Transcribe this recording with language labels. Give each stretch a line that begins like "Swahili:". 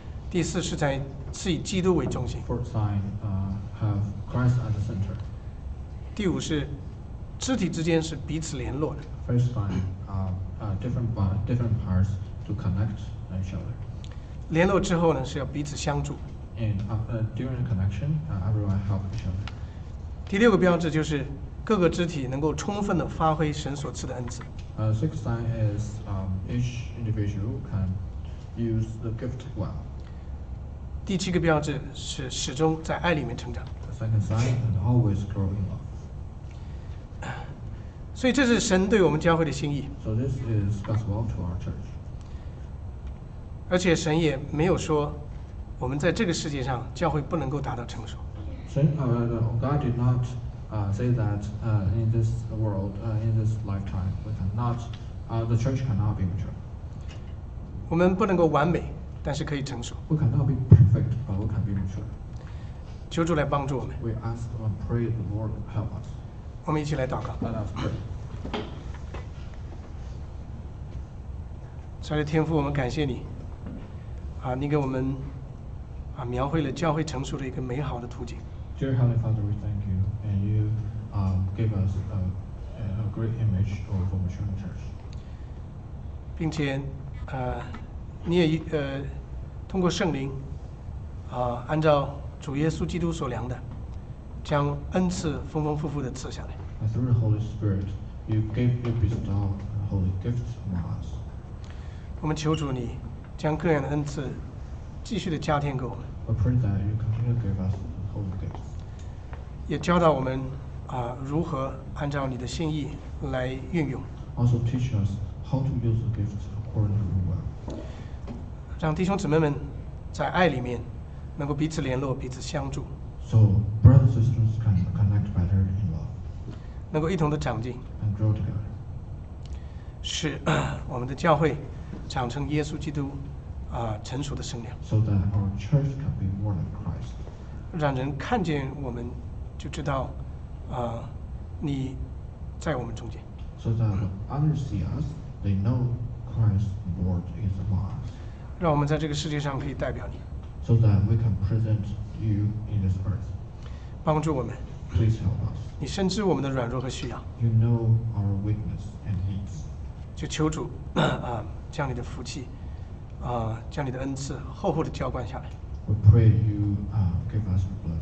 Chinese: 第四是在是以基督为中心。
English: Fourth sign have Christ at the center.
Chinese: 第五是。肢体之间是彼此联络的。
English: First sign, different parts to connect each other.
Chinese: 联络之后呢，是要彼此相助。
English: And during the connection, everyone help each other.
Chinese: 第六个标志就是各个肢体能够充分的发挥神所赐的恩赐。
English: Sixth sign is each individual can use the gift well.
Chinese: 第七个标志是始终在爱里面成长。
English: The second sign and always grow in love.
Chinese: 所以这是神对我们教会的心意。
English: So this is God's will to our church.
Chinese: 而且神也没有说我们在这个世界上教会不能够达到成熟。
English: God did not say that in this world, in this lifetime, we cannot, the church cannot be mature.
Chinese: 我们不能够完美，但是可以成熟。
English: We cannot be perfect, but we can be mature.
Chinese: 求主来帮助我们。
English: We ask and pray the Lord help us.
Chinese: 我们一起来祷告。亲爱的天父，我们感谢你，你给我们描绘了教会成熟的一个美好的途径。
English: Dear Heavenly Father, we thank you, and you gave us a great image of a mature church.
Chinese: 并且，你也通过圣灵，按照主耶稣基督所量的，将恩赐丰丰富富的赐下来。
English: And through the Holy Spirit, you gave your bestowed holy gifts among us.
Chinese: 我们求主你将各样的恩赐继续的加添给我们。
English: We pray that you continue to give us the holy gifts.
Chinese: 也教导我们如何按照你的心意来运用。
English: Also teach us how to use the gifts according to your will.
Chinese: 让弟兄姊妹们在爱里面能够彼此联络，彼此相助。
English: So brothers and sisters can connect better in love.
Chinese: 能够一同的长进
English: and grow together.
Chinese: 使我们的教会长成耶稣基督成熟的圣灵。
English: So that our church can be more like Christ.
Chinese: 让人看见我们，就知道，你在我们中间。
English: So that others see us, they know Christ's word is among us.
Chinese: 让我们在这个世界上可以代表你。
English: So that we can present you in this earth.
Chinese: 帮助我们。
English: Please help us.
Chinese: 你深知我们的软弱和需要。
English: You know our weakness and needs.
Chinese: 就求主啊，将你的福气，将你的恩赐厚厚的浇灌下来。
English: We pray you give us a blessing.